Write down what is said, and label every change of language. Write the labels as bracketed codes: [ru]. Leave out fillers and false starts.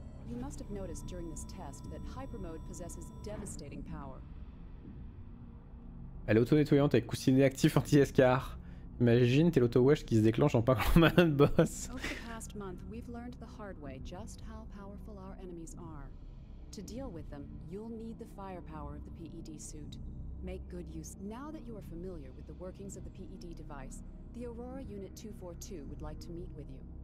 [en] You must have noticed during this test that hyper mode possesses devastating power. [fr] Elle est auto-nettoyante avec coussinet actif anti-escar. Imagine, t'es l'auto-wash qui se déclenche en parlant mal de boss. [en] Over the past month, we've learned the hard way just how powerful our enemies are. To deal with them, you'll need the firepower of the PED suit. Make good use. Now that you are familiar with the workings of the PED device, the Aurora Unit 242 would like to meet with you.